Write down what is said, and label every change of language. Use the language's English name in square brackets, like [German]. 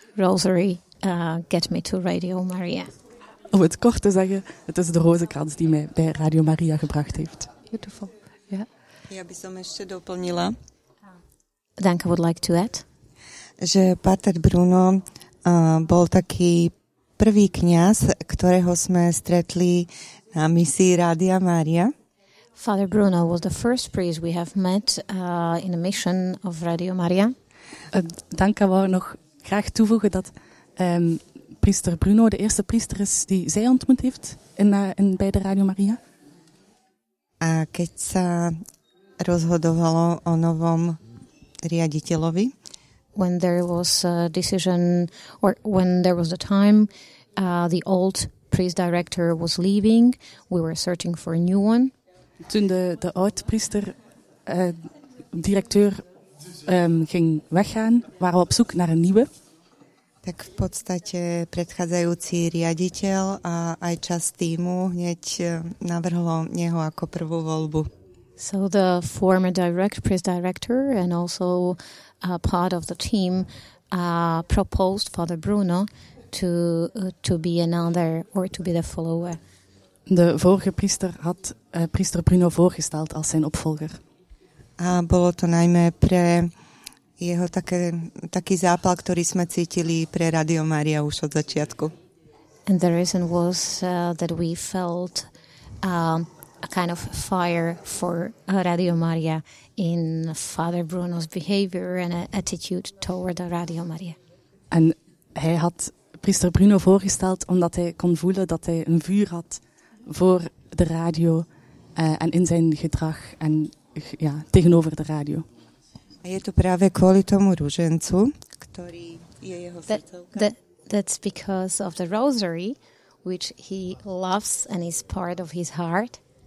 [English] Rosary, get me to Radio Maria. [Dutch] Om het kort te zeggen, het is de rozenkrans die mij bij Radio Maria gebracht heeft. [English] Beautiful. Ja. [Slovak] Ja, by som ešte doplnila. [English] Danka would like to add. [Slovak] Že Pater Bruno bol taký prvý kňaz, ktorého sme stretli na misii Rádia Mária. [English] Father Bruno was the first priest we have met in a mission of Radio Maria. [Dutch] Danka wou nog graag toevoegen dat priester Bruno de eerste priester is die zij ontmoet heeft bij de Radio Maria. [Slovak] A keď sa rozhodovalo o novom riaditeľovi, [English] when there was a decision or when there was a time the old priest director was leaving, we were searching for a new one. [Dutch] Toen de oud priester directeur ging weggaan, waren we op zoek naar een nieuwe. [Slovak] Tak v podstate predchádzajúci riaditeľ a aj časť týmu hneď navrhlo neho ako prvú voľbu. [English] So the former priest director and also a part of the team proposed Father Bruno to be another or to be the follower. [Dutch] De vorige priester had priester Bruno voorgesteld als zijn opvolger. [Slovak] A bolo to najmä pre jeho taký zápal, ktorý sme cítili pre Radio Maria už od začiatku. [English] And the reason was that we felt a kind of fire for Radio Maria in Father Bruno's behavior and attitude toward Radio Maria. [Dutch] En hij had priester Bruno voorgesteld omdat hij kon voelen dat hij een vuur had voor de radio en in zijn gedrag en ja, tegenover de radio. [Slovak] Je to práve kvôli tomu ružencu, ktorý je jeho srdcovka. [English] That's because of the rosary, which he loves and is part of his heart.